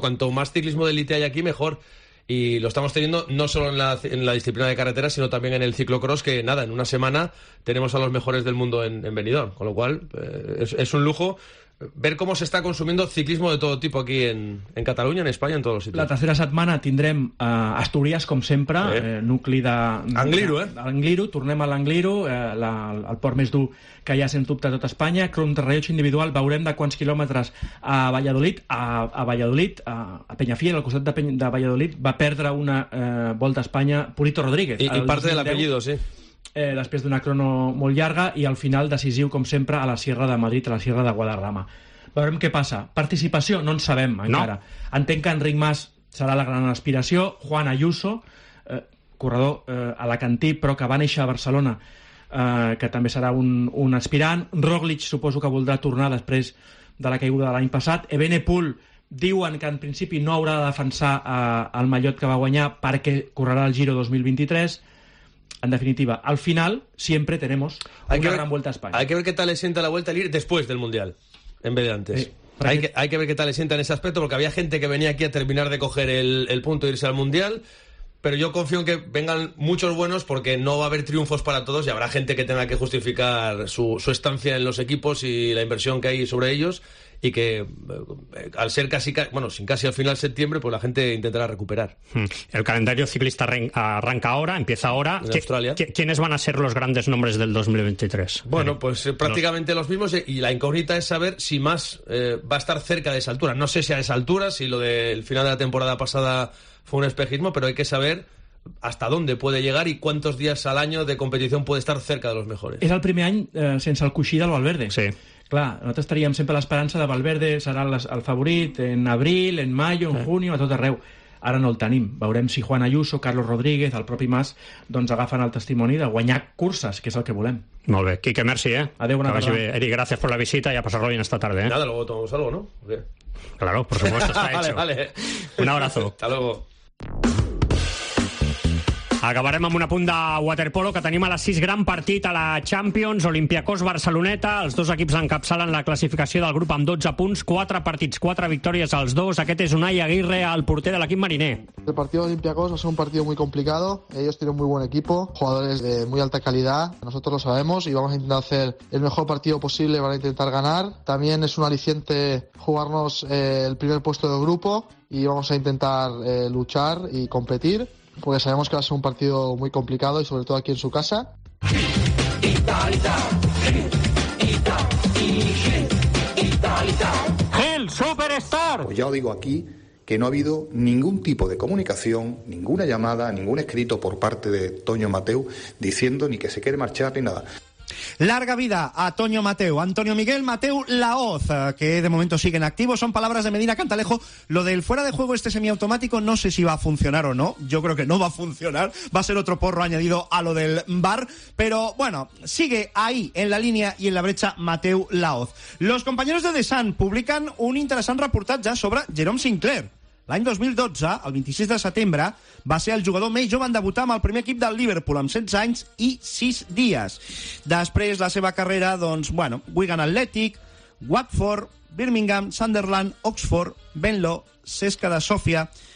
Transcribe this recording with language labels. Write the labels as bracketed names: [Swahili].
[Spanish] Cuanto más ciclismo de élite hay aquí, mejor, y lo estamos teniendo no solo en la disciplina de carretera, sino también en el ciclocross, que nada, en una semana tenemos a los mejores del mundo en Benidorm, con lo cual es un lujo ver cómo se está consumiendo ciclismo de todo tipo aquí en Cataluña, en España, en todos los sitios. [Catalan] La tercera setmana tindrem Astúries, com sempre, nucli de... Angliru, Angliru, tornem a l'Angliru, el port més dur que hi ha, sens dubte, a tot Espanya. Contrarrellotge individual, veurem de quants quilòmetres a Valladolid. A Peñafiel, al costat de Valladolid, va perdre una volta a Espanya Purito Rodríguez. [Spanish] I parte de l'apellido, sí. [Catalan] Després d'una crono molt llarga, i al final decisiu, com sempre, a la Sierra de Madrid, a la Sierra de Guadarrama. Veurem què passa. Participació, no en sabem encara. No. Entenc que Enric Mas serà la gran aspiració. Juan Ayuso, corredor alacantí, però que va néixer a Barcelona, que també serà un aspirant. Roglic suposo que voldrà tornar després de la caiguda de l'any passat. Evenepoel diuen que en principi no haurà de defensar el mallot que va guanyar perquè correrà el Giro 2023... [Spanish] En definitiva, al final siempre tenemos una gran vuelta a España. Hay que ver qué tal le sienta la vuelta al ir después del Mundial, en vez de antes. Hay que ver qué tal le sienta en ese aspecto, porque había gente que venía aquí a terminar de coger el punto e irse al Mundial, pero yo confío en que vengan muchos buenos, porque no va a haber triunfos para todos y habrá gente que tenga que justificar su estancia en los equipos y la inversión que hay sobre ellos, y que al ser casi al final de septiembre, pues la gente intentará recuperar. El calendario ciclista arranca ahora, empieza ahora. En Australia. ¿Quiénes van a ser los grandes nombres del 2023? Bueno, pues prácticamente los mismos, y la incógnita es saber si Mas va a estar cerca de esa altura. No sé si a esa altura, si lo del final de la temporada pasada fue un espejismo, pero hay que saber hasta dónde puede llegar y cuántos días al año de competición puede estar cerca de los mejores. [Catalan] Era el primer any sense el coixí del Valverde. Sí. Clar, nosaltres estaríem sempre a l'esperança de Valverde, serà el favorit en abril, en maio, en junio, a tot arreu. Ara no el tenim. Veurem si Juan Ayuso, Carlos Rodríguez, el propi Mas, doncs agafen el testimoni de guanyar curses, que és el que volem. Molt bé. Quique, merci, eh? Adéu, bona tarda. Que vagi bé. Eri, gràcies per la visita i a passar-lo [Spanish] bien esta tarde, Nada, luego tomamos algo, ¿no? Claro, por supuesto, está hecho. Vale. Un abrazo. Hasta luego. [Catalan] Acabarem amb un apunt de waterpolo, que tenim a les 6 gran partit a la Champions, Olympiacos, Barceloneta. Els dos equips encapçalen la classificació del grup amb 12 punts, 4 partits, 4 victòries als dos. Aquest és Unai Aguirre, el porter de l'equip mariner. [Spanish] El partido de Olympiacos [Catalan] va ser [Spanish] un partido muy complicado. Ellos tienen un muy buen equipo, jugadores de muy alta calidad. Nosotros lo sabemos y vamos a intentar hacer el mejor partido posible para intentar ganar. También es un aliciente jugarnos el primer puesto del grupo y vamos a intentar luchar y competir, porque sabemos que va a ser un partido muy complicado y sobre todo aquí en su casa. ¡El Superstar! Pues ya os digo aquí que no ha habido ningún tipo de comunicación, ninguna llamada, ningún escrito por parte de Toño Mateu diciendo ni que se quiere marchar ni nada. Larga vida a Toño Mateu. Antonio Miguel Mateu Lahoz, que de momento sigue en activo. Son palabras de Medina Cantalejo. Lo del fuera de juego este semiautomático, no sé si va a funcionar o no. Yo creo que no va a funcionar. Va a ser otro porro añadido a lo del VAR. Pero bueno, sigue ahí en la línea y en la brecha Mateu Lahoz. Los compañeros de The Sun publican un interesante reportaje sobre Jerome Sinclair. [Catalan] L'any 2012, el 26 de setembre, va ser el jugador més jove en debutar amb el primer equip del Liverpool, amb 16 anys i 6 dies. Després, la seva carrera, doncs, bueno, Wigan Athletic, Watford, Birmingham, Sunderland, Oxford, Venlo, Cesca de Sofia...